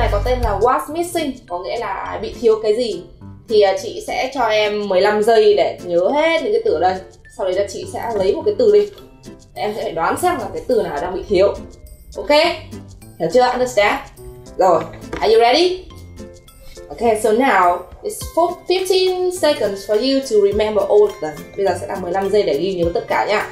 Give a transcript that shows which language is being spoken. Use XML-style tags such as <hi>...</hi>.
<vi>tên là What's Missing, có nghĩa là bị thiếu cái gì. Thì chị sẽ cho em 15 giây để nhớ hết những cái từ ở đây. Sau đấy là chị sẽ lấy một cái từ đi, em sẽ phải đoán xem là cái từ nào đang bị thiếu.</vi> <en>Ok,</en> <vi>hiểu chưa?</vi> <en>Understand?</en> <vi>Rồi,</vi> <en>are you ready? Ok, so now it's 15 seconds for you to remember all of them.</en> <vi>Bây giờ sẽ là 15 giây để ghi nhớ tất cả nhá.</vi>